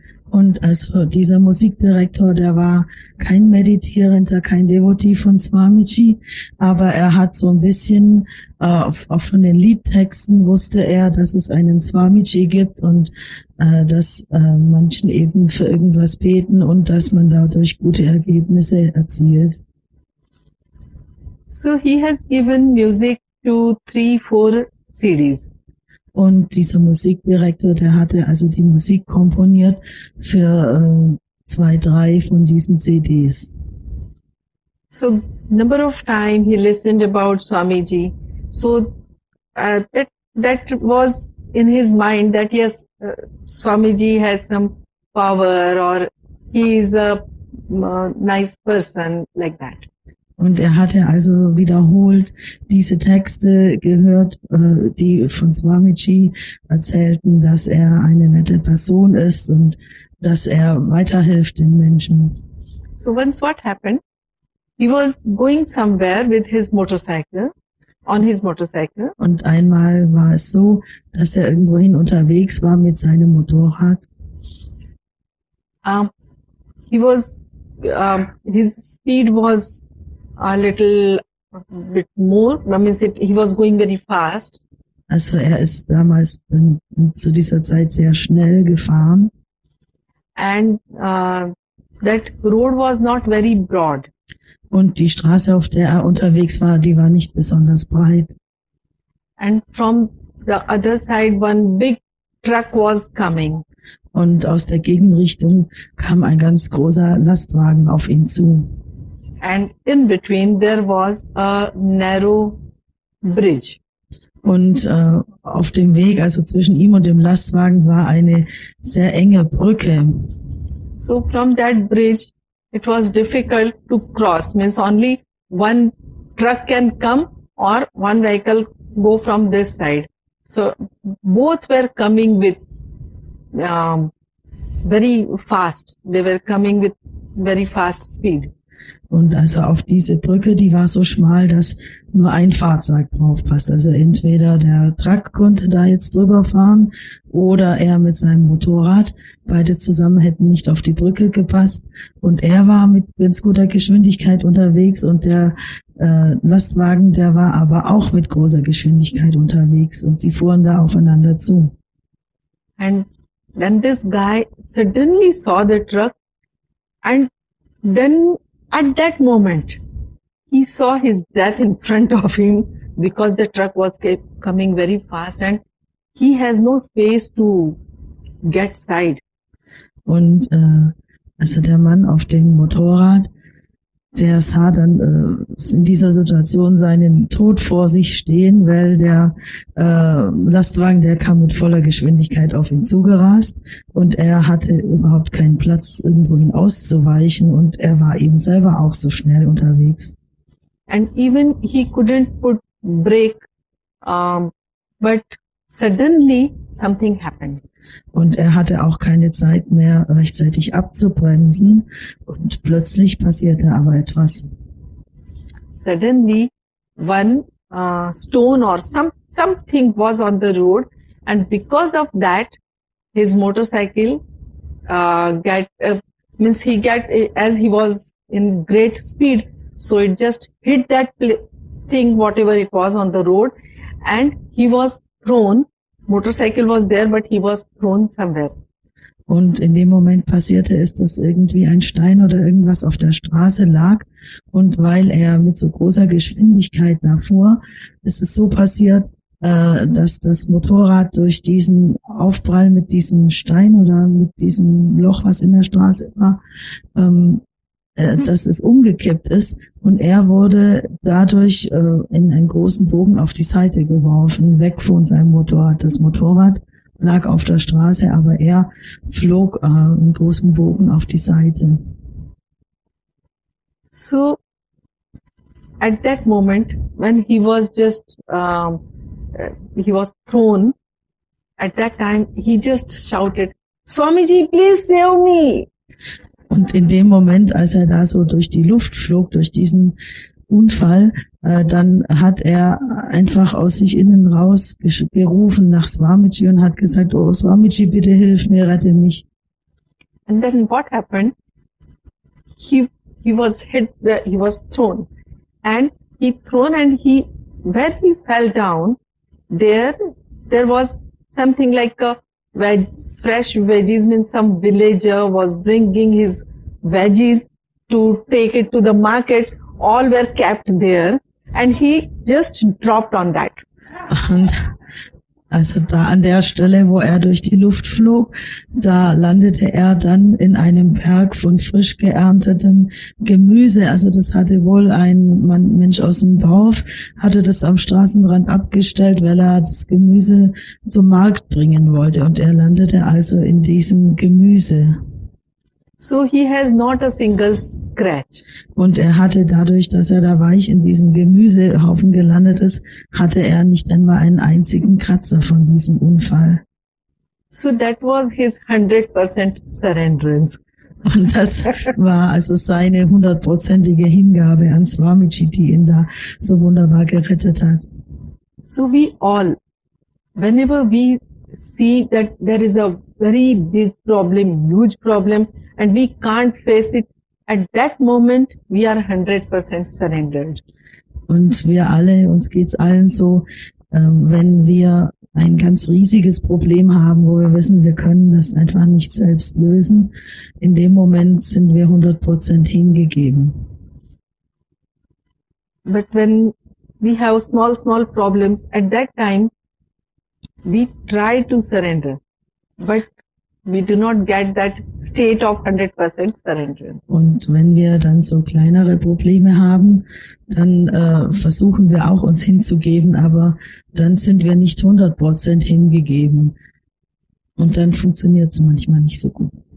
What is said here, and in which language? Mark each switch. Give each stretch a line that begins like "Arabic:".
German: Und also dieser Musikdirektor, der war kein Meditierender, kein Devotee von Swamiji, aber er hat so ein bisschen, auch von den Liedtexten wusste er, dass es einen Swamiji gibt und dass manchen eben für irgendwas beten und dass man dadurch gute Ergebnisse erzielt.
English: So he has given music to 3-4 CDs.
German: Und dieser Musikdirektor, der hatte also die Musik komponiert für 2-3 von diesen CDs.
English: So, number of time he listened about Swamiji. So, that was in his mind that yes, Swamiji has some power or he is a nice person like that.
German: Und er hatte also wiederholt diese Texte gehört, die von Swamiji erzählten, dass er eine nette Person ist und dass er weiterhilft den Menschen.
English: So once what happened? He was going somewhere with his motorcycle, on his motorcycle.
German: Und einmal war es so, dass er irgendwohin unterwegs war mit seinem Motorrad.
English: His speed was a little bit more. That means he was going very fast.
German: Also er ist damals zu dieser Zeit sehr schnell gefahren.
English: And that road was not very broad.
German: Und die Straße, auf der er unterwegs war, die war nicht besonders breit.
English: And from the other side, one big truck was coming.
German: Und aus der Gegenrichtung kam ein ganz großer Lastwagen auf ihn zu.
English: And in between there was a narrow Bridge.
German: Und auf dem Weg, also zwischen ihm und dem Lastwagen, war eine sehr enge Brücke.
English: So from that bridge, it was difficult to cross. Means only one truck can come or one vehicle go from this side. So both were coming with very fast. They were coming with very fast speed.
German: Und also auf diese Brücke, die war so schmal, dass nur ein Fahrzeug drauf passt. Also entweder der Truck konnte da jetzt drüber fahren oder er mit seinem Motorrad. Beide zusammen hätten nicht auf die Brücke gepasst. Und er war mit ganz guter Geschwindigkeit unterwegs und der Lastwagen, der war aber auch mit großer Geschwindigkeit unterwegs und sie fuhren da aufeinander zu.
English: And then this guy suddenly saw the truck and then at that moment, he saw his death in front of him because the truck was coming very fast and he has no space to get side.
German: Und also der Mann auf dem Motorrad, der sah dann in dieser Situation seinen Tod vor sich stehen, weil der Lastwagen, der kam mit voller Geschwindigkeit auf ihn zugerast und er hatte überhaupt keinen Platz, irgendwohin auszuweichen und er war eben selber auch so schnell unterwegs.
English: And even he couldn't put brake, but suddenly something happened.
German: Und er hatte auch keine Zeit mehr, rechtzeitig abzubremsen. Und plötzlich passierte aber etwas.
English: Suddenly, one stone or something was on the road, and because of that, his motorcycle as he was in great speed, so it just hit that thing, whatever it was on the road, and he was thrown. Motorcycle was there, but he was thrown somewhere.
German: Und in dem Moment passierte es, dass irgendwie ein Stein oder irgendwas auf der Straße lag. Und weil er mit so großer Geschwindigkeit davor, ist es so passiert, dass das Motorrad durch diesen Aufprall mit diesem Stein oder mit diesem Loch, was in der Straße war, dass es umgekippt ist. Und er wurde dadurch in einen großen Bogen auf die Seite geworfen, weg von seinem Motorrad. Das Motorrad lag auf der Straße, aber er flog in großen Bogen auf die Seite.
English: So, at that moment, when he was just, he was thrown, at that time, he just shouted, Swamiji, please save me!
German: Und in dem Moment, als er da so durch die Luft flog, durch diesen Unfall, dann hat er einfach aus sich innen raus gerufen nach Swamiji und hat gesagt, oh Swamiji, bitte hilf mir, rette mich.
English: And then what happened? He was hit, he was thrown. And he thrown and he, where he fell down, there was something like a wedge. Fresh veggies means some villager was bringing his veggies to take it to the market. All were kept there. And he just dropped on that.
German: Und also da an der Stelle, wo er durch die Luft flog, da landete er dann in einem Berg von frisch geerntetem Gemüse. Also das hatte wohl ein Mensch aus dem Dorf, hatte das am Straßenrand abgestellt, weil er das Gemüse zum Markt bringen wollte. Und er landete also in diesem Gemüse.
English: So he has not a single scratch.
German: Und er hatte dadurch, dass er da weich in diesem Gemüsehaufen gelandet ist, hatte er nicht einmal einen einzigen Kratzer von diesem Unfall.
English: So that was his 100% surrenderance.
German: Und das war also seine hundertprozentige Hingabe an Swamiji, die ihn da so wunderbar gerettet hat.
English: So we all, whenever we see that there is a very big problem, huge problem, and we can't face it. At that moment, we are 100% surrendered.
German: Und wir alle, uns geht's allen so, wenn wir ein ganz riesiges Problem haben, wo wir wissen, wir können das einfach nicht selbst lösen, in dem Moment sind wir 100% hingegeben.
English: But when we have small problems, at that time, we try to surrender. But We do not get that state of 100% surrender.
German: Und wenn wir dann so kleinere Probleme haben, dann versuchen wir auch uns hinzugeben, aber dann sind wir nicht 100% hingegeben. Und dann funktioniert es manchmal nicht so gut.